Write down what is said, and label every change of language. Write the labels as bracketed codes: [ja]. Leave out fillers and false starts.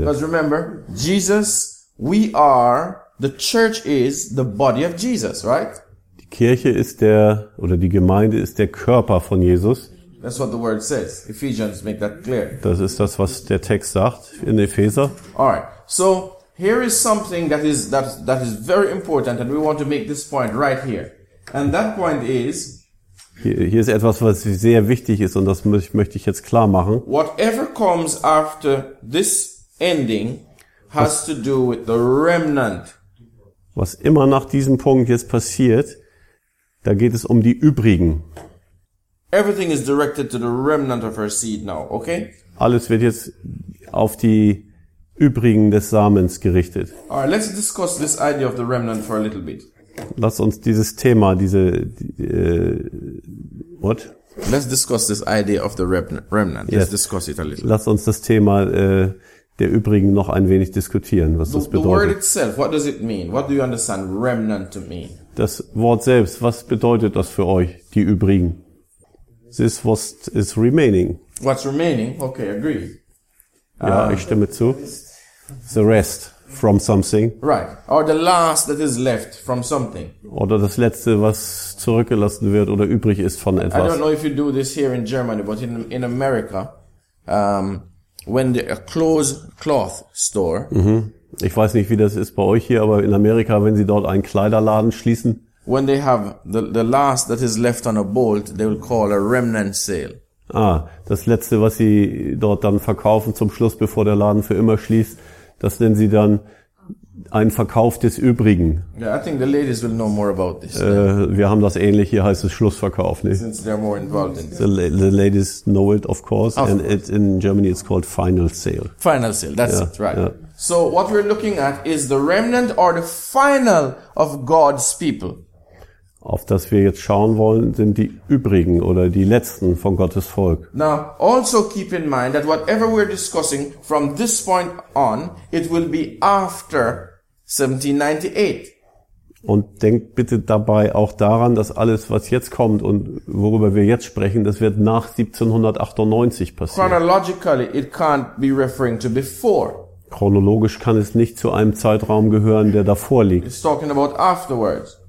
[en] Because remember, Jesus, we are, the church is the body of Jesus, right? [de] Kirche ist der, oder die Gemeinde ist der Körper von Jesus. [en] That's what the word says. Ephesians make that clear. [de] Das ist das, was der Text sagt in Epheser. [en] Alright, so here is something that is very important and we want to make this point right here. And that point is, [de] hier ist etwas, was sehr wichtig ist und das möchte ich jetzt klar machen. [en] Whatever comes after this ending has to do with the remnant. [de] Was immer nach diesem Punkt jetzt passiert, da geht es um die übrigen. [en] Everything is directed to the remnant of her seed now, okay? [de] Alles wird jetzt auf die übrigen des Samens gerichtet. [en] All right, let's discuss this idea of the remnant for a little bit. [de] Lass uns dieses Thema, diese [en] what? Let's discuss this idea of the remnant. Let's discuss it a little. [de] Lass uns das Thema der übrigen noch ein wenig diskutieren, was das bedeutet. [en] The word itself, what does it mean? What do you understand remnant to mean? [de] Das Wort selbst, was bedeutet das für euch, die übrigen? [en] This was is remaining. What's remaining? Okay, agree. [de] Ja, ich stimme zu. [en] The rest from something. Right. Or the last that is left from something. Oder das letzte, was zurückgelassen wird oder übrig ist von etwas. I don't know if you do this here in Germany, but in America, when the clothes cloth store. Mm-hmm. [de] Ich weiß nicht, wie das ist bei euch hier, aber in Amerika, wenn sie dort einen Kleiderladen schließen, [en] when they have the last that is left on a bolt, they will call a remnant sale. [de] Ah, das letzte, was sie dort dann verkaufen zum Schluss, bevor der Laden für immer schließt, das nennen sie dann ein Verkauf des Übrigen. [en] Yeah, I think the ladies will know more about this. [de] Wir haben das ähnlich, hier heißt es Schlussverkauf, nicht? [en] Since they're more involved in this. The ladies know it, of course. Of and course. It, in Germany it's called final sale. Final sale, that's it, right. Yeah. So what we're looking at is the remnant or the final of God's people. [de] Auf das wir jetzt schauen wollen, sind die Übrigen oder die Letzten von Gottes Volk. [en] Now, also keep in mind that whatever we're discussing from this point on, it will be after 1798. [de] Und denkt bitte dabei auch daran, dass alles, was jetzt kommt und worüber wir jetzt sprechen, das wird nach 1798 passieren. [en] Chronologically, it can't be referring to before. [de] Chronologisch kann es nicht zu einem Zeitraum gehören, der davor liegt. [en] It's talking about afterwards.